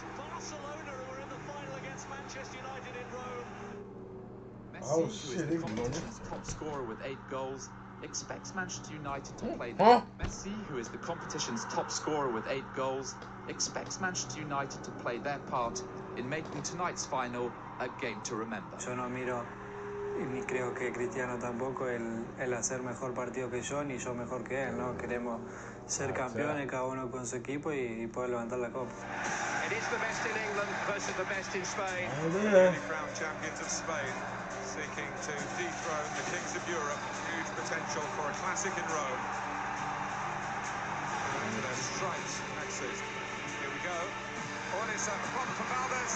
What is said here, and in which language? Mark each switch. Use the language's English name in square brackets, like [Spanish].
[English] Barcelona are in the final against Manchester United in Rome. Messi, oh, shit, who is the competition's top scorer with 8 goals, expects Manchester United to play them. Huh? Messi, who is the competition's top scorer with 8 goals, expects Manchester United to play their part in making tonight's final a game to remember. [Spanish] Yo no miro y ni creo que Cristiano tampoco el hacer mejor partido que yo ni yo mejor que él, ¿no? Queremos ser campeones cada uno con su equipo y poder levantar la copa. [English] It is the best in England versus the best in Spain. Oh, yeah. The crowned champions of Spain. Seeking to dethrone the kings of Europe, huge potential for a classic in Rome. And there strikes Messi. Here we go. On is a front for Valdez.